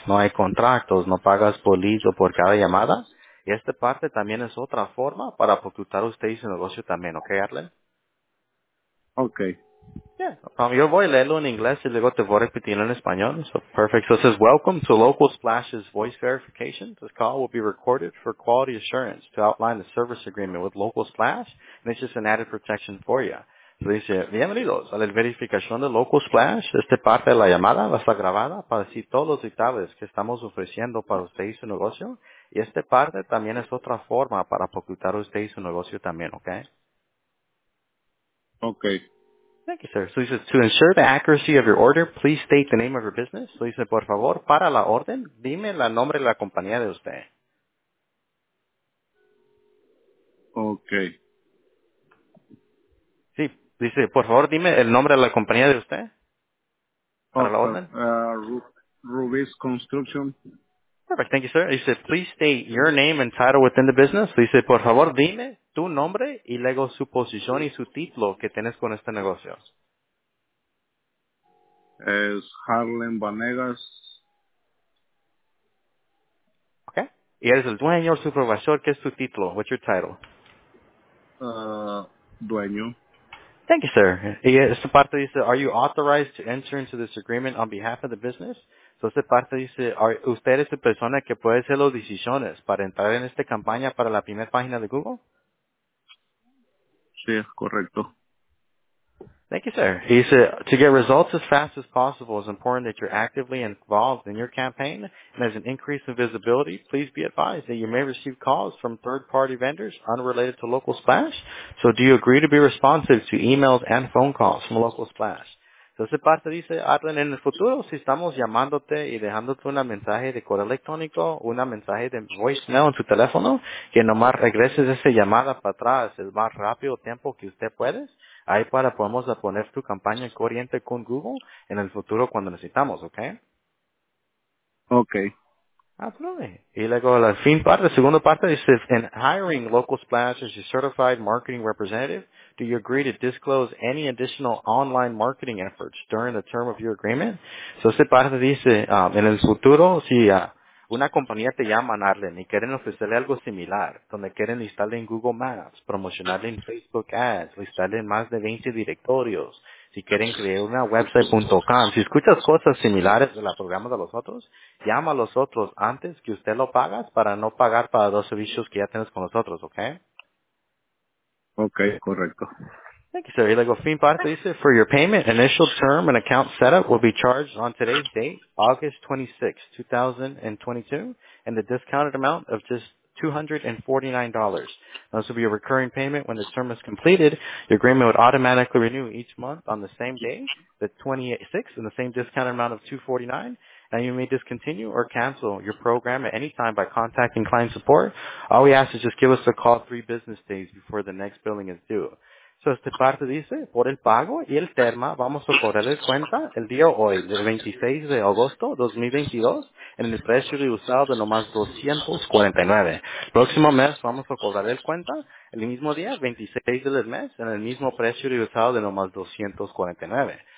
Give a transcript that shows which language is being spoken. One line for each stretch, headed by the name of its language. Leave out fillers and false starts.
Spanish: No hay contratos, no pagas por lead o por cada llamada. Y esta parte también es otra forma para ocultar usted y su negocio también, ¿ok, Arlen? Ok. Yeah. Yo voy a leerlo en inglés y luego te voy a repetir en español.
English: So, perfect. So, it says, welcome to Local Splash's voice verification. This call will be recorded for quality assurance to outline the service agreement with Local Splash. And it's just an added protection for you.
Spanish: Dice, bienvenidos a la verificación de Local Splash. Esta parte de la llamada va a estar grabada para decir todos los detalles que estamos ofreciendo para usted y su negocio. Y esta parte también es otra forma para ocultar usted y su negocio también, ¿ok? Ok.
English: Thank you, sir. So dice, to ensure the accuracy of your order, please state the name of your business.
Spanish: So dice, por favor, para la orden, dime el nombre de la compañía de usted. Ok. Dice, por favor, dime el nombre de la compañía de usted. Para la orden.
English: Rubis Construction. Perfect, thank you, sir. Dice, please state your name and title within the business.
Spanish: Dice, por favor, dime tu nombre y luego su posición y su título que tienes con este negocio. Es Harlan Vanegas. Okay. Y eres el dueño, supervisor. ¿Qué es tu título?
English: What's your title?
Spanish: Dueño.
English: Thank you, sir.
Spanish: Y esta parte dice,
English: are you authorized to enter into this agreement on behalf of the business?
Spanish: So esta parte dice, ¿usted es la persona que puede hacer las decisiones para entrar en esta campaña para la primera página de Google? Sí, correcto.
English: Thank you, sir. He said, to get results as fast as possible, it's important that you're actively involved in your campaign. And as an increase in visibility, please be advised that you may receive calls from third-party vendors unrelated to Local Splash. So do you agree to be responsive to emails and phone calls from Local Splash?
Spanish: Entonces, parte dice, Arlen, en el futuro, si estamos llamándote y dejándote un mensaje de correo electrónico, un mensaje de voicemail en tu teléfono, que nomás regreses esa llamada para atrás el más rápido tiempo que usted puede, ahí para podemos poner tu campaña en corriente con Google en el futuro cuando necesitamos, ¿ok? Ok.
English: Absolutely.
Spanish: Y luego la fin parte, la segunda parte dice,
English: in hiring Local Splash as a certified marketing representative, do you agree to disclose any additional online marketing efforts during the term of your agreement?
Spanish: So esta parte dice, en el futuro, si una compañía te llama, Arlen, y quieren ofrecerle algo similar, donde quieren listarle en Google Maps, promocionarle en Facebook Ads, listarle en más de 20 directorios, si quieren crear una website.com, si escuchas cosas similares de los programas de los otros, llama a los otros antes que usted lo pagas para no pagar para dos servicios que ya tienes con nosotros, ¿ok? Ok, correcto.
English: Thank you, sir.
Spanish: Y luego, fin parte dice,
English: for your payment, initial term and account setup will be charged on today's date, August 26, 2022, and the discounted amount of just $249. This will be a recurring payment when the term is completed. Your agreement would automatically renew each month on the same day, the 26th, and the same discounted amount of $249. And you may discontinue or cancel your program at any time by contacting client support. All we ask is just give us a call 3 business days before the next billing is due.
Spanish: So, esta parte dice, por el pago y el termo, vamos a correrle cuenta el día hoy, el 26 de agosto 2022, en el precio de usado de nomás $249. Próximo mes, vamos a cobrarle cuenta el mismo día, 26 del mes, en el mismo precio de usado de nomás $249.